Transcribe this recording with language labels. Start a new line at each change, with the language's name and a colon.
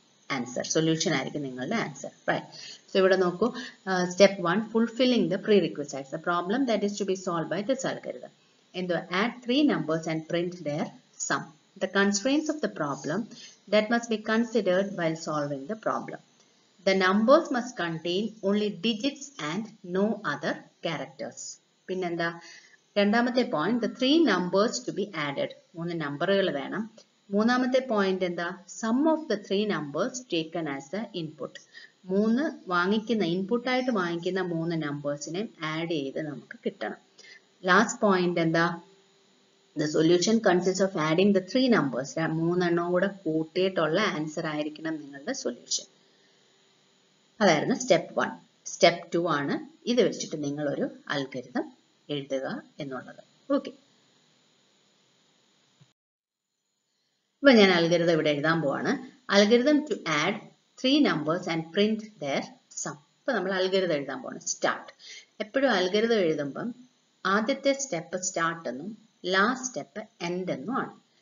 English: answer solution
Malayalam: ആയിരിക്കും നിങ്ങളുടെ
English: answer right so
Malayalam: ഇവിടെ നോക്കൂ
English: step one fulfilling the prerequisites the problem that is to be solve by this algorithm
Malayalam: എന്തോ
English: Add three numbers and print their sum the constraints of the problem that must be considered while solving the problem The numbers must contain only digits and no other characters.
Malayalam: പിന്നെന്താ രണ്ടാമത്തെ point,
English: the three numbers to be added.
Malayalam: മൂന്ന് നമ്പറുകൾ വേണം. മൂന്നാമത്തെ
English: point
Malayalam: എന്താ
English: sum of the three numbers taken as the input.
Malayalam: മൂന്ന് വാങ്ങിക്കുന്ന input ആയിട്ട് വാങ്ങിക്കുന്ന മൂന്ന് നമ്പേഴ്സിനെ ആഡ് ചെയ്ത് നമുക്ക് കിട്ടണം.
English: Last point
Malayalam: എന്താ
English: The solution consists of adding the three numbers.
Malayalam: മൂന്നെണ്ണം കൂടെ കൂട്ടിയിട്ടുള്ള answer ആയിരിക്കണം നിങ്ങളുടെ solution. അതായിരുന്നു സ്റ്റെപ്പ് വൺ സ്റ്റെപ്പ് ടു ആണ് ഇത് വെച്ചിട്ട് നിങ്ങൾ ഒരു അൽഗരിതം എഴുതുക എന്നുള്ളത് ഓക്കെ ഇപ്പൊ ഞാൻ അൽഗരിതം ഇവിടെ എഴുതാൻ പോവാണ്
English: algorithm to add three numbers and print their sum
Malayalam: ഇപ്പൊ നമ്മൾ അൽഗരിതം എഴുതാൻ പോവാണ് സ്റ്റാർട്ട് എപ്പോഴും അൽഗരിതം എഴുതുമ്പം ആദ്യത്തെ സ്റ്റെപ്പ് സ്റ്റാർട്ട് എന്നും ലാസ്റ്റ് സ്റ്റെപ്പ് എൻഡ് എന്നും ആണ്